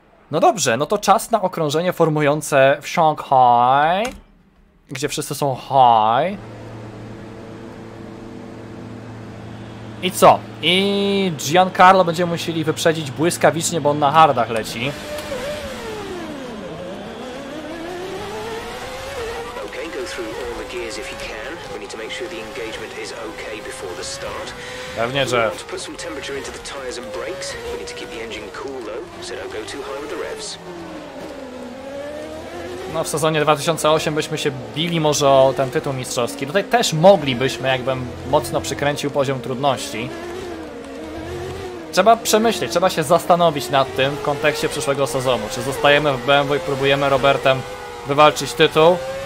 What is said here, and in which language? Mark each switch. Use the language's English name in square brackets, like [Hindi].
[Polish] No dobrze, no to czas na okrążenie formujące w Shanghai, gdzie wszyscy są high. I co? I Giancarlo będziemy musieli wyprzedzić błyskawicznie, bo on na hardach leci. [English] Okay, go through all the gears if you can. We need to make sure the engagement is okay before the start. [Polish] Pewnie, że... [English] Put some temperature into the tires and brakes. We need to keep the engine cool though, so don't go too high with the revs. [Polish] No w sezonie 2008 byśmy się bili może o ten tytuł mistrzowski. Tutaj też moglibyśmy, jakbym mocno przykręcił poziom trudności. Trzeba przemyśleć, trzeba się zastanowić nad tym w kontekście przyszłego sezonu. Czy zostajemy w BMW i próbujemy Robertem wywalczyć tytuł?